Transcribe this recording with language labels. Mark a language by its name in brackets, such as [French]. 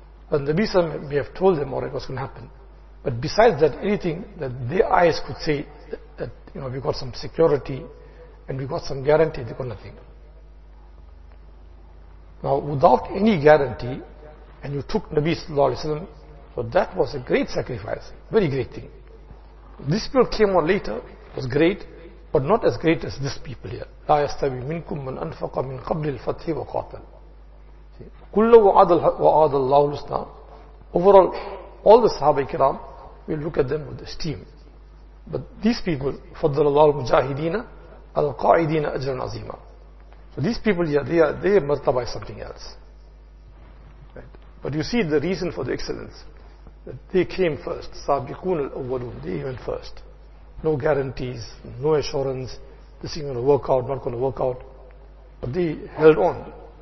[English] But Nabi sallallahu alayhi wa sallam may have told them already what's going to happen. But besides that, anything that their eyes could say, that you know, we got some security and we got some guarantee, they got nothing. Now, without any guarantee, and you took Nabi sallallahu alayhi wa sallam, so that was a great sacrifice, very great thing. This people came on later, was great, but not as great as this people here. [Arabic] لا يستوي منكم من أنفق من قبل الفتح وقاتل. كل وعاد الله الحسنى. [English] Overall, all the Sahaba Ikram, we look at them with esteem. But these people, [Arabic] فضل الله المجاهدين على القاعدين أجرا عظيما. [English] So these people here, they are martaba is something else. But you see the reason for the excellence. That they came first. [Arabic] سابقون الأولون. [English] They went first. No guarantees, no assurance. This is going to work out, not going to work out. But they held on.